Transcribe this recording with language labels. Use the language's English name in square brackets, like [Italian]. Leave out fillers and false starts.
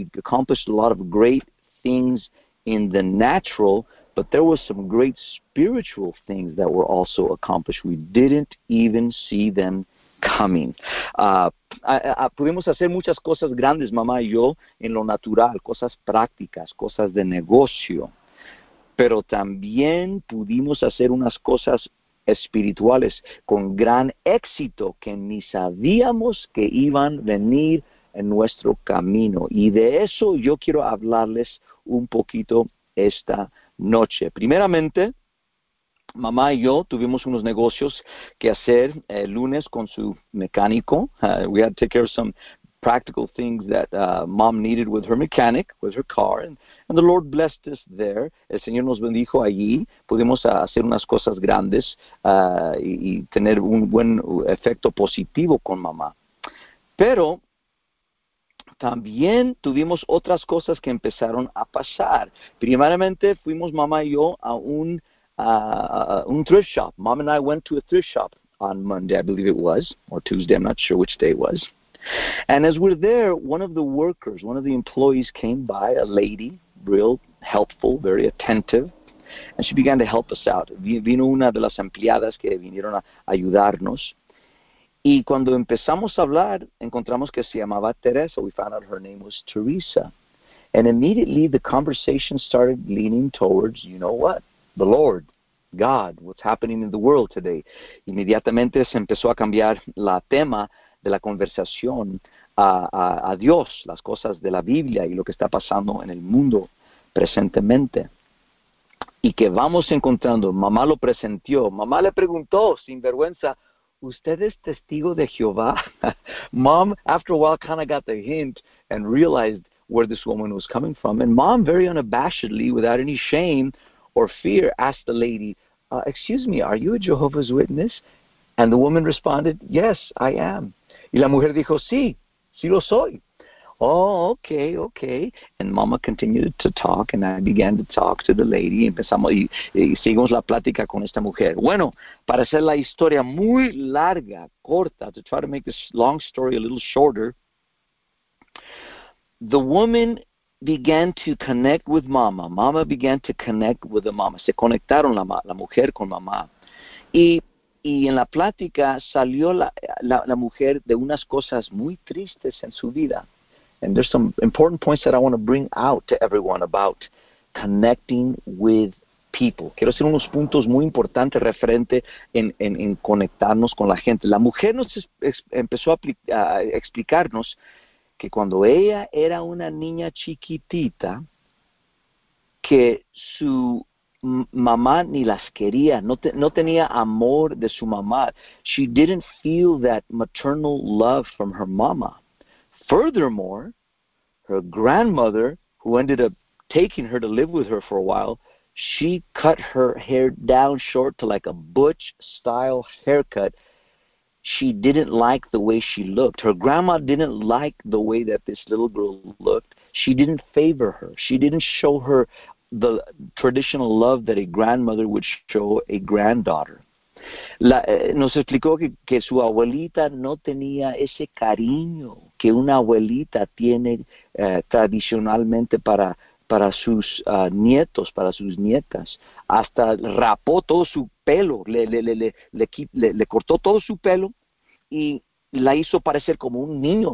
[English] We accomplished a lot of great things in the natural, but there were some great spiritual things that were also accomplished. We didn't even see them coming. [Spanish] Pudimos hacer muchas cosas grandes, mamá y yo, en lo natural, cosas prácticas, cosas de negocio. Pero también pudimos hacer unas cosas espirituales con gran éxito que ni sabíamos que iban a venir en nuestro camino. Y de eso yo quiero hablarles un poquito esta noche. Primeramente, mamá y yo tuvimos unos negocios que hacer el lunes con su mecánico. [English] We had to take care of some practical things that mom needed with her mechanic, with her car, and the Lord blessed us there. [Spanish] El Señor nos bendijo allí. Pudimos hacer unas cosas grandes y tener un buen efecto positivo con mamá. Pero también tuvimos otras cosas que empezaron a pasar. Primeramente, fuimos mamá y yo a un thrift shop. [English] Mom and I went to a thrift shop on Monday, I believe it was, or Tuesday, I'm not sure which day it was. And as we're there, one of the employees came by, a lady, real helpful, very attentive, and she began to help us out. Vino una de las empleadas que vinieron a ayudarnos. Y cuando empezamos a hablar, encontramos que se llamaba Teresa. We found out her name was Teresa. And immediately the conversation started leaning towards, you know what? The Lord, God, what's happening in the world today. [Spanish] Inmediatamente se empezó a cambiar la tema de la conversación a Dios, las cosas de la Biblia y lo que está pasando en el mundo presentemente. Y que vamos encontrando, mamá lo presentió, mamá le preguntó sin vergüenza, ¿usted es testigo de Jehová? [English] Mom, after a while, kind of got the hint and realized where this woman was coming from. And Mom, very unabashedly, without any shame or fear, asked the lady, excuse me, are you a Jehovah's Witness? And the woman responded, yes, I am. [Spanish] Y la mujer dijo, sí, sí lo soy. [English] Oh, okay, okay. And Mama continued to talk, and I began to talk to the lady. [Spanish] Y seguimos la plática con esta mujer. Bueno, para hacer la historia muy larga, corta, [English] to try to make this long story a little shorter, the woman began to connect with Mama. Mama began to connect with the Mama. [Spanish] Se conectaron la mujer con Mama. Y en la plática salió la mujer de unas cosas muy tristes en su vida. [English] And there's some important points that I want to bring out to everyone about connecting with people. [Spanish] Quiero hacer unos puntos muy importantes referente en conectarnos con la gente. La mujer nos empezó a explicarnos que cuando ella era una niña chiquitita, que su mamá ni las quería, no tenía amor de su mamá. [English] She didn't feel that maternal love from her mama. Furthermore, her grandmother, who ended up taking her to live with her for a while, She cut her hair down short to like a butch style haircut. She didn't like the way she looked. Her grandma didn't like the way that this little girl looked. She didn't favor her. She didn't show her the traditional love that a grandmother would show a granddaughter. [Spanish] Nos explicó que su abuelita no tenía ese cariño que una abuelita tiene tradicionalmente para sus nietos, para sus nietas. Hasta rapó todo su pelo, le cortó todo su pelo y la hizo parecer como un niño.